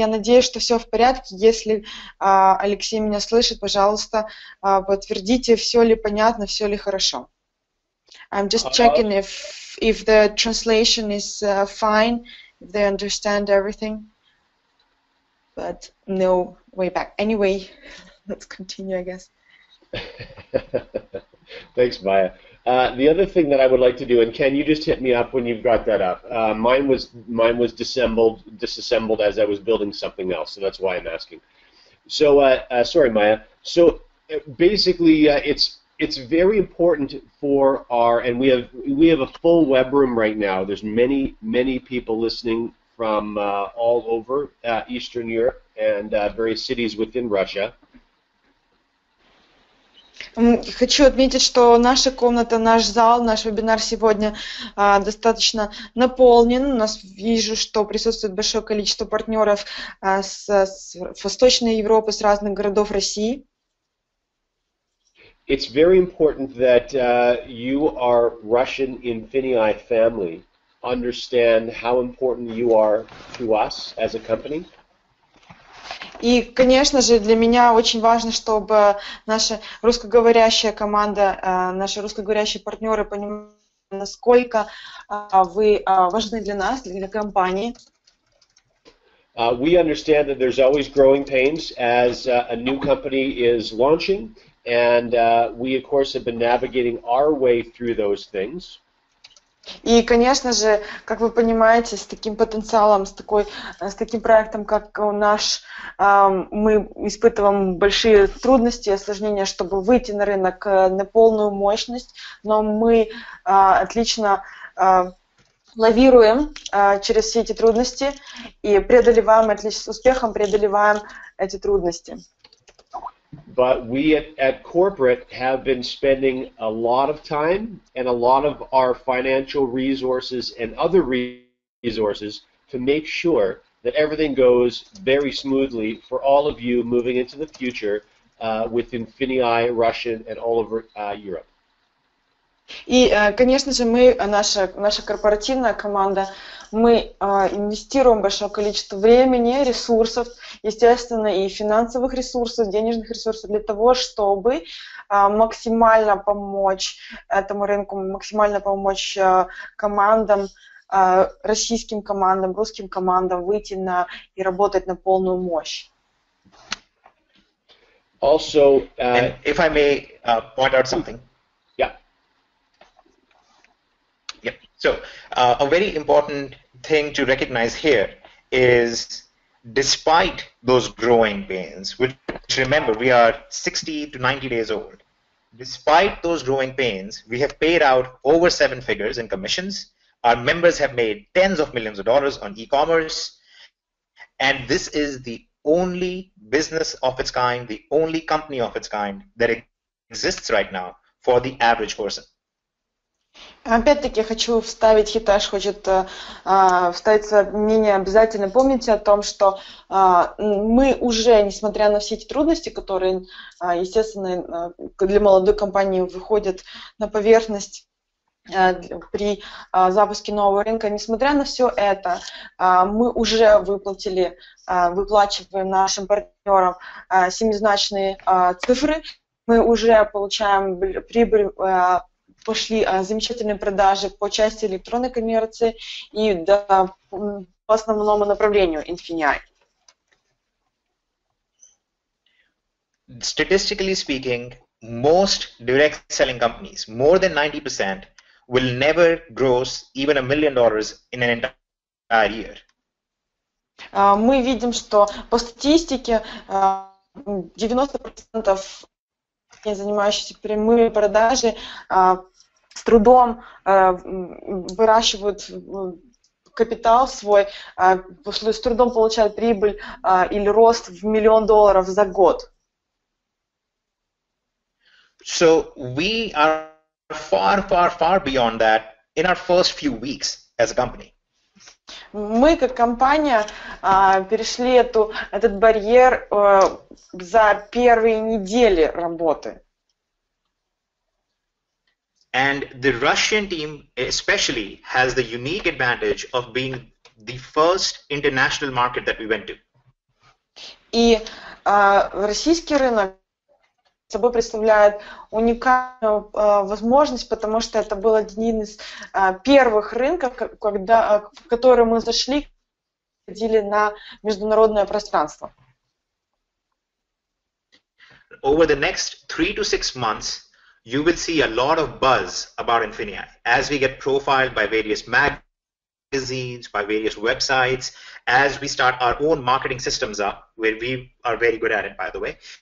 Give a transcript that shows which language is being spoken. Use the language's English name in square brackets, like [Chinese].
[Russian] Я надеюсь, что все в порядке. Если Алексей меня слышит, пожалуйста, подтвердите, все ли понятно, все ли хорошо. [English] I'm just checking if the translation is fine, if they understand everything. But no way back. Anyway, let's continue, I guess. Thanks, Maya. The other thing that I would like to do, and Ken, you just hit me up when you've got that up. Mine was disassembled as I was building something else, so that's why I'm asking. So, sorry, Maya. So, basically, it's very important for our, and we have a full web room right now. There's many, many people listening from all over Eastern Europe and various cities within Russia. [Russian] Хочу отметить, что наша комната, наш зал, наш вебинар сегодня достаточно наполнен. У нас вижу, что присутствует большое количество партнеров с Восточной Европы, с разных городов России. [English] It's very important that you are Russian InfiniEye family. Understand how important you are to us as a company. [Russian] И, конечно же, для меня очень важно, чтобы наша русскоговорящая команда, наши русскоговорящие партнеры понимали, насколько вы важны для нас, для компании. [English] We understand that there's always growing pains as a new company is launching, and we, of course, have been navigating our way through those things. [Russian] И, конечно же, как вы понимаете, с таким потенциалом, с таким проектом, как у нас, мы испытываем большие трудности и осложнения, чтобы выйти на рынок на полную мощность, но мы отлично лавируем через все эти трудности и преодолеваем, отлично, с успехом преодолеваем эти трудности. [English] But we at corporate have been spending a lot of time and a lot of our financial resources and other resources to make sure that everything goes very smoothly for all of you moving into the future with InfiniEye, Russian, and all over Europe. [Russian] И, конечно же, мы, наша корпоративная команда, мы инвестируем большое количество времени, ресурсов, естественно, и финансовых ресурсов, денежных ресурсов для того, чтобы максимально помочь этому рынку, максимально помочь командам российским командам, русским командам выйти на и работать на полную мощь. [English] Also, and if I may point out something. Yeah. Yeah. So, a very important thing to recognize here is, despite those growing pains, which remember we are 60 to 90 days old, despite those growing pains, we have paid out over seven figures in commissions. Our members have made tens of millions of dollars on e-commerce, and this is the only business of its kind, the only company of its kind that exists right now for the average person. [Russian] Опять-таки хочу вставить, Хитаж хочет вставить свое мнение. Обязательно помните о том, что мы уже, несмотря на все эти трудности, которые, естественно, для молодой компании выходят на поверхность, при запуске нового рынка, несмотря на все это, мы уже выплачиваем нашим партнерам семизначные цифры, мы уже получаем прибыль, пошли замечательные продажи по части электронной коммерции и по основному направлению Infinii. [English] Statistically speaking, most direct selling companies, more than 90%, will never gross even $1 million in an entire year. [Russian] Мы видим, что по статистике 90% занимающихся прямыми продажи с трудом выращивают капитал свой, с трудом получают прибыль или рост в $1 million за год. [English] So we are far, far, far beyond that in our first few weeks as a company. [Russian] Мы как компания перешли этот барьер за первые недели работы. [English] And the Russian team especially has the unique advantage of being the first international market that we went to. [Russian] И российский рынок собой представляет уникальную возможность, потому что это был один из первых рынков, в который мы зашли, ходили на международное пространство. [English] Over the next 3 to 6 months, you will see a lot of buzz about Infinii as we get profiled by various magazines, by various websites, as we start our own marketing systems up, where we are very good at it, by the way.